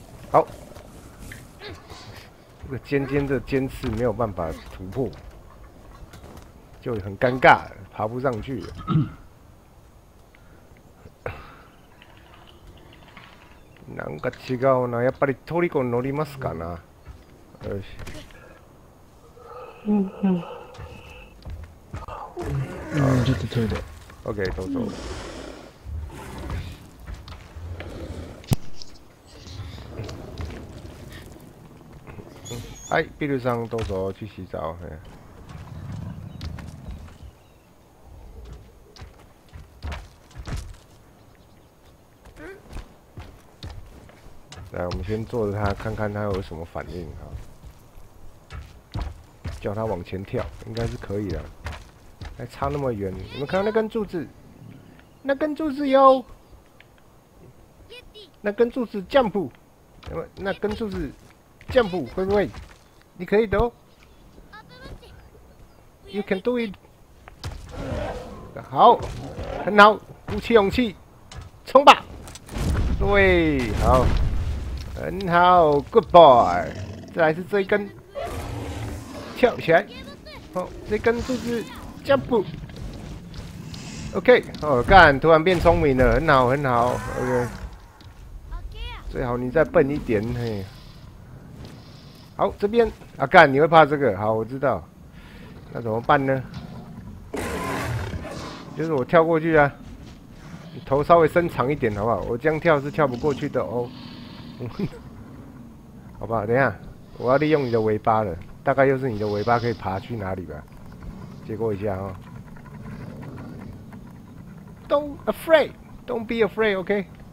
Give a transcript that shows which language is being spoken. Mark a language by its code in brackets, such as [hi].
[zh] 好，这个尖尖的尖刺没有办法突破，就很尴尬，爬不上去了。 [ja] なんか違うな。やっぱりトリコ乗りますかな。よし。ちょっとトイレ。オッケー、どうぞ。はい、ビルさんどうぞ、 [zh] 去洗澡。来，我们先坐着它，看看它有什么反应哈。叫它往前跳，应该是可以的。还差那么远，你们看到那根柱子？那根柱子哟，那根柱子 jump， 那根柱子 jump 会不会？你可以的哦。 [en] You can do it。 [zh] 好，很好，鼓起勇气，冲吧！对，好。很好 ， [en] Good boy， [zh] 再来是这一根，跳起来，哦，这根柱子 jump， OK， 哦，干，突然变聪明了，很好，很好 ，OK， 最好你再笨一点，嘿，好，这边啊，干，你会怕这个，好，我知道，那怎么办呢？就是我跳过去啊，你头稍微伸长一点好不好？我这样跳是跳不过去的哦。好吧，等一下，我要利用你的尾巴了。大概又是你的尾巴可以爬去哪里吧？结果一下哦。 [en] Don't afraid, don't be afraid, OK？